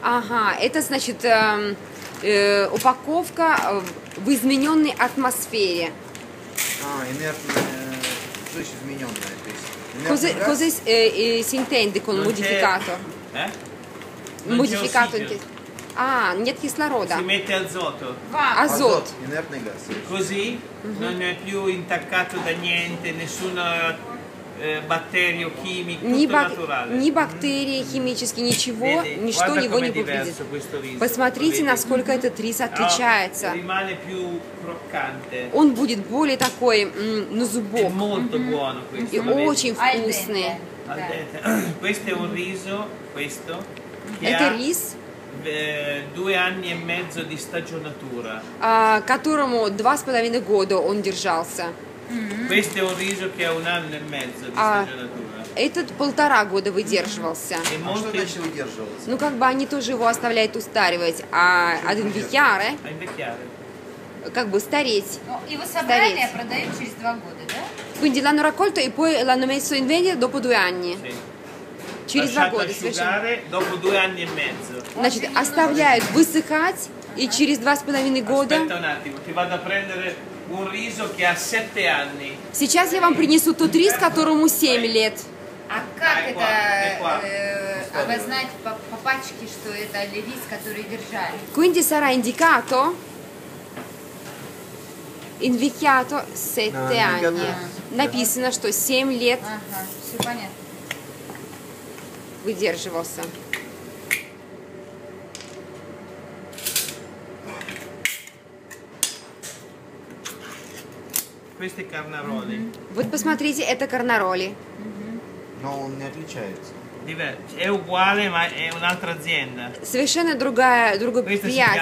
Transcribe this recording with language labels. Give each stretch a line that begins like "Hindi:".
Russian: Ага, это значит упаковка в измененной атмосфере. А, инертная, то есть измененная, то есть.
Italian: Cosa si intende con modificato? Modificato in che?
Russian: Ah, нет кислорода.
Italian: Si mette azoto. Azot. Inerte gas. Così non è più intaccato da niente, nessuna batterio chimico, tutto naturale.
Russian: Ni batterie химически ничего, ничто его не повредит. Посмотрите, насколько этот рис отличается.
Italian: Rimane più croccante.
Russian: Он будет более такой на зубок.
Italian: Molto buono questo.
Russian: И очень вкусный.
Italian: Questo è un riso, questo.
Russian: Это рис.
Italian: Due anni e mezzo di stagionatura.
Russian: Которому 2,5 года он держался.
Italian: Questo è un riso che ha un anno e mezzo di stagionatura.
Russian: Этот полтора года выдерживался. И может еще выдерживался. Ну как бы они тоже его оставляют устаривать, а один вихяр, э? Как бы стареть. И его собрали, а продают через 2 года, да?
Italian: Quindi l'hanno raccolto e poi l'hanno messo in vendita dopo 2 anni.
Russian: Через 2 года,
Italian: dopo 2 anni e mezzo.
Russian: Значит, оставляют высыхать и через 2,5 года.
Italian: Aspetta un attimo, ti vado a prendere un riso che ha 7 anni.
Russian: Сейчас я вам принесу тот рис, которому 7 лет. А как это обознать по пачке, что это рис, который держали?
Italian: Quindi sarà indicato invecchiato 7 anni.
Russian: Написано, что 7 лет. Ага, все понятно. Выдерживался.
Italian: Questi carnaroli.
Russian: Вот посмотрите, это карнароли. Но он не отличается.
Italian: Diverso. È uguale, ma è un'altra azienda.
Russian: Совершенно другая, другое предприятие.